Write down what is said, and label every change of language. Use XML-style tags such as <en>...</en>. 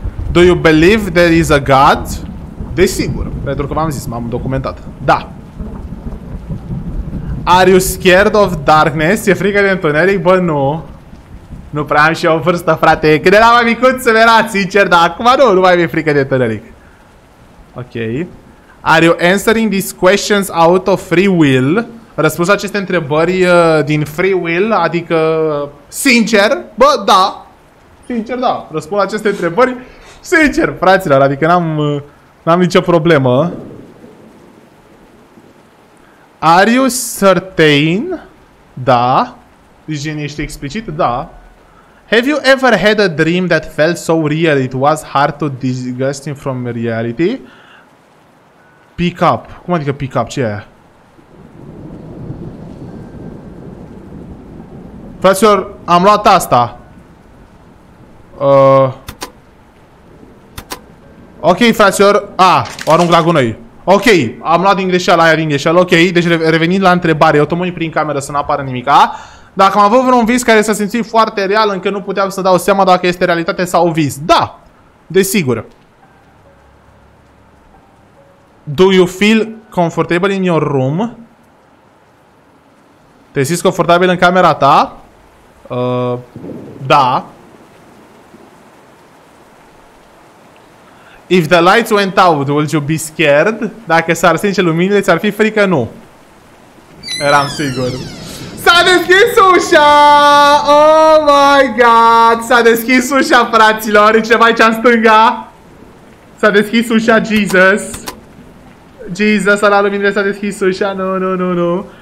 <en>Do you believe there is a God?</en> <ro>Desigur, pentru că v-am zis, m-am documentat. Da.</ro> <en>Are you scared of darkness?</en> <ro>E frică de întuneric? Bă, nu. Nu prea am și eu vârstă, frate. Când eram mai micuț, să era, sincer, dar acum nu mai mi-e frică de întuneric. Ok.</ro> <en>Are you answering these questions out of free will?</en> <ro>Răspuns aceste întrebări din free will, adică sincer? Bă, da. Sincer, da. Răspund aceste întrebări sincer, fraților, adică n-am... N-am nicio problemă.</ro> <en>Are you certain?</en> <ro>Da. Gen, ești explicit? Da.</ro> <en>Have you ever had a dream that felt so real it was hard to disguise it from reality? Pick up.</en> <ro>Cum adică pick up? Ce e aia? Fraților, am luat asta. Ok, fraților. O arunc la gunoi. Ok, am luat din greșeală aia din greșeală. Ok, deci revenind la întrebare. O tămâi prin cameră să n-apară nimic. Dacă am avut vreun vis care s-a simțit foarte real încă nu puteam să dau seama dacă este realitate sau vis. Da, desigur.</ro> <en>Do you feel comfortable in your room?</en> <ro>Te simți confortabil în camera ta? Da.</ro> <en>If the lights went out, would you be scared?</en> <ro>Dacă s-ar stinge luminile, ți-ar fi frică? Nu. Eram sigur. S-a deschis ușa!</ro> <en>Oh my god!</en> <ro>S-a deschis ușa, fraților! E ceva aici în stânga! S-a deschis ușa, Jesus! Jesus, ala luminile s-a deschis ușa! Nu, nu, nu, nu!</ro>